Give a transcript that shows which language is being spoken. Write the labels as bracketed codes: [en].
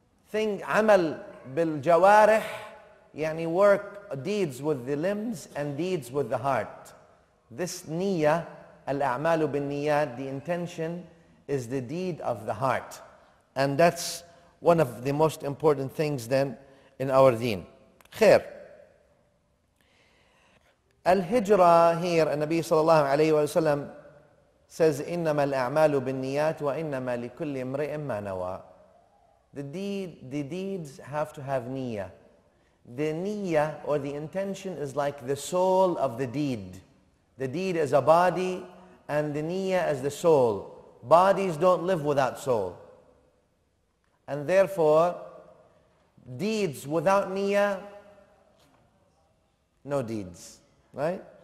[en] Thing, [ar] عمل بالجوارح, يعني [en] work, deeds with the limbs and deeds with the heart. This niyya, [ar] الأعمال بالنيات, [en] the intention is the deed of the heart. And that's one of the most important things then in our deen. [ar] خير. الهجرة here, النبي صلى الله عليه وسلم says, إنما الأعمال بالنيات وإنما لكل امرئ ما نوى. [en] The deeds have to have niyya. The niyya or the intention is like the soul of the deed. The deed is a body and the niyya is the soul. Bodies don't live without soul. And therefore, deeds without niyya, no deeds, right?